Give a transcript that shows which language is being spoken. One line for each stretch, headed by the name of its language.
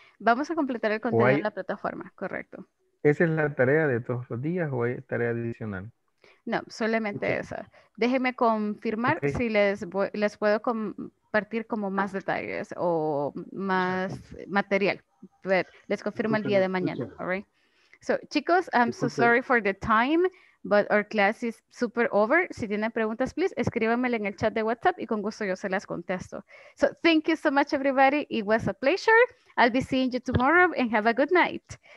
Spanish: Vamos a completar el contenido de la plataforma, correcto. ¿Esa es la tarea de todos los días o hay tarea adicional? No, solamente esa. Déjenme confirmar si les puedo compartir como más detalles o más material. But les confirmo el día de mañana,
English: all right? So, chicos, I'm so sorry for the time, but our class is super over.
Spanish: Si tienen preguntas, please, escríbanmela en el chat de WhatsApp y con gusto yo se las contesto.
English: So, thank you so much, everybody. It was a pleasure. I'll be seeing you tomorrow and have a good night.